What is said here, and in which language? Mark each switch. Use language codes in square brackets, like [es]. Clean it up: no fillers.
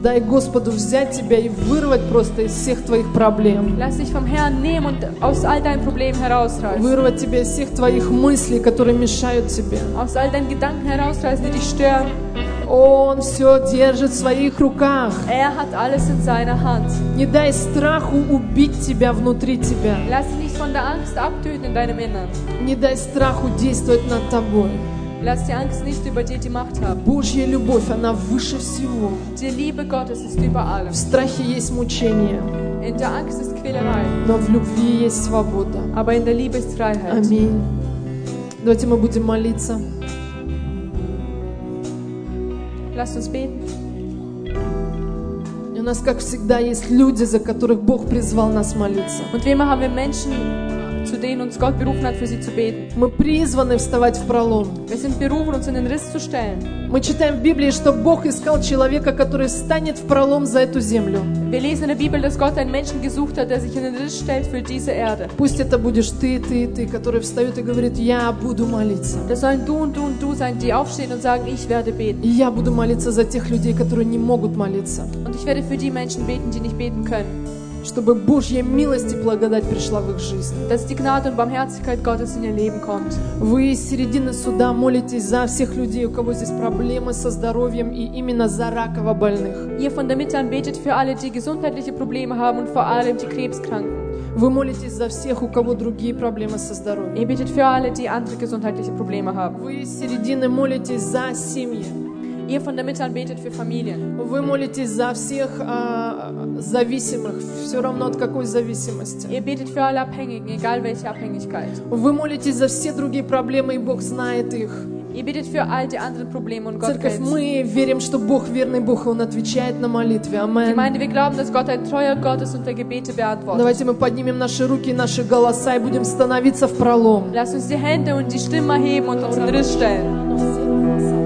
[ru] Дай Господу взять тебя и вырвать просто из всех твоих проблем. [de] Lass dich vom Herrn nehmen und aus all deinen Problemen herausreißen. [ru] Вырвать тебя из всех твоих мыслей, которые мешают тебе. [de] Aus all deinen Gedanken herausreißen, die dich stören. [ru] Он все держит в своих руках. [de] Er hat alles in seiner Hand. [ru] Не дай страху убить тебя внутри тебя. [de] Lass dich nicht von der Angst abtöten in deinem Inneren. [ru] Не дай страху действовать над тобой. [de] Lass die Angst nicht über dir die Macht haben. [ru] Божья любовь, она выше всего. [de] Die Liebe Gottes ist über allem. [ru] В страхе есть мучение. [de] In der Angst ist Quälerei. [ru] Но в любви есть свобода. [de] Aber in der Liebe ist Freiheit. [ru] Аминь. Давайте мы будем молиться. [de] Lasst uns beten. [ru] И у нас, как всегда, есть люди, за которых Бог призвал нас молиться. [de] Und wie immer haben wir Menschen, zu denen uns Gott berufen hat, für sie zu beten. [ru] Мы призваны вставать в пролом. [de] Wir sind berufen, uns in den Riss zu stellen. [ru] Мы читаем в Библии, что Бог искал человека, который встанет в пролом за эту землю. [de] Wir lesen in der Bibel, dass Gott einen Menschen gesucht hat, der sich in den Riss stellt für diese Erde. [ru] Пусть это будешь ты, ты, ты, который встает и говорит, я буду молиться. [de] Das sollen du und du sein, die aufstehen und sagen, ich werde beten. [ru] И я буду молиться за тех людей, которые не могут молиться. [de] Und ich werde für die Menschen beten, die nicht beten können. [ru] чтобы Божья милость и благодать пришла в их жизнь. [de] Dass die Gnade und Barmherzigkeit Gottes in ihr Leben kommt. [ru] Вы из середины суда молитесь за всех людей, у кого здесь проблемы со здоровьем и именно за раково больных. [de] Ihr von der Mitte an betet für alle, die gesundheitliche Probleme haben und vor allem die Krebskranken. [ru] Вы молитесь за всех, у кого другие проблемы со здоровьем. [de] Ihr betet für alle, die andere gesundheitliche Probleme haben. [ru] Вы из середины молитесь за семьи. [de] Ihr von der Mitte an betet für Familien. [ru] Вы молитесь за всех зависимых, все равно от какой зависимости. [de] Ihr betet für alle Abhängigen, egal welche Abhängigkeit. [ru] Вы молитесь за все другие проблемы, и Бог знает их. [de] Ihr betet für all die anderen Probleme und Gott [ru] Церковь, [de] kennt. [ru] Мы верим, что Бог верный Бог, и Он отвечает на молитве. [de] Amen. Gemeinde, wir glauben, dass Gott ein treuer Gott ist und er Gebete beantwortet. [ru] Давайте мы поднимем наши руки и наши голоса и будем становиться в пролом. [de] Lass uns die Hände und die Stimme heben und uns in Riss stellen.